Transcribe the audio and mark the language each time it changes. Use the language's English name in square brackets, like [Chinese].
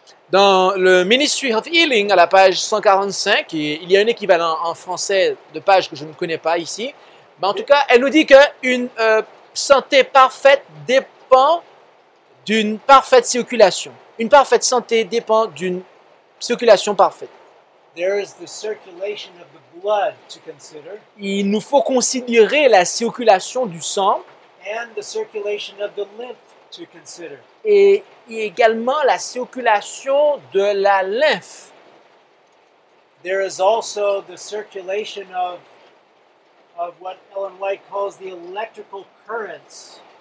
[French] Dans le Ministry of Healing, à la page 145, et il y a un équivalent en français de page que je ne connais pas ici, mais en tout cas, elle nous dit qu'une santé parfaite dépend d'une parfaite circulation. Une parfaite santé dépend d'une circulation parfaite. [English] There is the circulation of the blood to consider. [French] Il nous faut considérer la circulation du sang [English] and the circulation of the lymph to consider. [French] Et également la circulation de la lymphe. [English] There is also the circulation of what Ellen White calls the electrical currents.